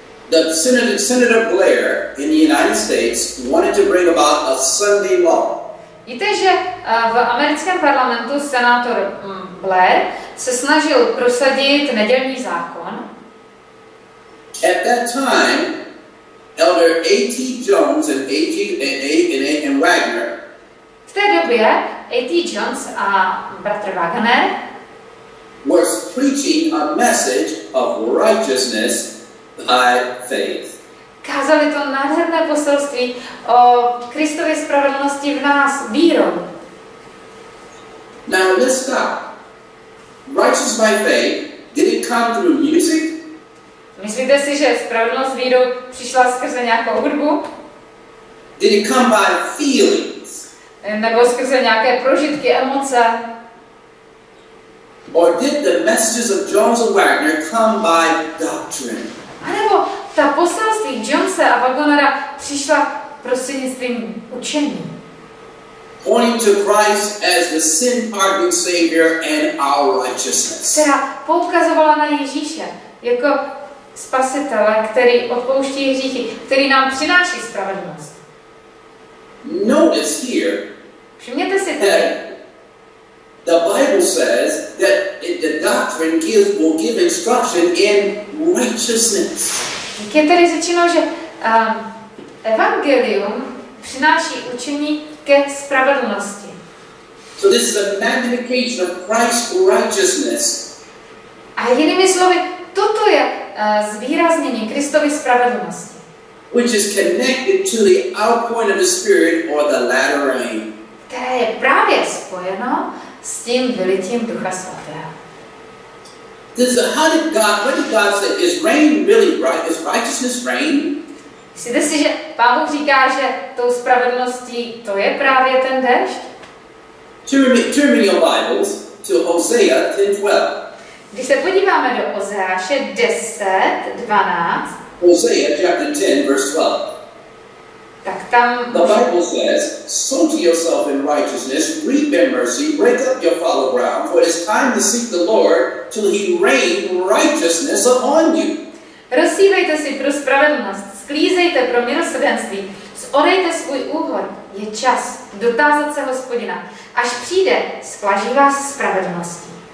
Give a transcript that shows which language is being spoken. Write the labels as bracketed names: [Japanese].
[English] The Senator Blair in the United States wanted to bring about a Sunday law. [Czech] Víte, že v americkém parlamentu senátor Blair se snažil prosadit nedělní zákon. [English] At that time, Elder A.T. Jones and Wagner. [Czech] V té době A.T. Jones a bratr Wagner [English] was preaching a message of righteousness by faith. [Czech] Kázali to nádherné poselství o Kristově spravedlnosti v nás vírou. [English] Now let's stop. Righteous by faith, did it come through music? [Czech] Myslíte si, že spravedlnost vírou přišla skrze nějakou hudbu? [English] Did it come by feelings? [Czech] Nebo skrze nějaké prožitky, emoce? [English] Or did the messages of Jones and Wagner come by doctrine? [Czech] Anebo ta poselství Jonesa a Wagnera přišla prostřednictvím učení. [English] Pointing to Christ as the sin-pardoning Savior and our righteousness. [Czech] Která poukazovala na Ježíše jako spasitele, který odpouští hříchy, který nám přináší spravedlnost. [English] Notice here. [Czech] Všimněte si tady. [English] The Bible says that the doctrine gives will give instruction in righteousness. [Czech] Je tady řečeno, že evangelium přináší učení ke spravedlnosti. [English] So this is a magnification of Christ's righteousness. [Czech] A jinými slovy, toto je zvýraznění Kristovy spravedlnosti. [English] Which is connected to the outpouring of the Spirit or the latter rain. [Czech] Které je právě spojeno s tím vylitím Ducha Svatého. [English] Does the how did God what did God say is rain really right is righteousness rain? [Czech] Myslíte si, že Pán Bůh říká, že tou spravedlností to je právě ten déšť? [English] Turn in your Bibles to Hosea 10:12. [Czech] Když se podíváme do Ozeáše 10:12. [English] Hosea chapter 10 verse 12. [Czech] Tak tam [English] the Bible says, sow to yourself in righteousness, reap in mercy, break up your fallow ground, for it is time to seek the Lord till he rain righteousness upon you. [Czech] Rozsívejte si pro spravedlnost, sklízejte pro milosrdenství, zorejte svůj úhor, je čas dotázat se Hospodina, až přijde, splaží vás spravedlností.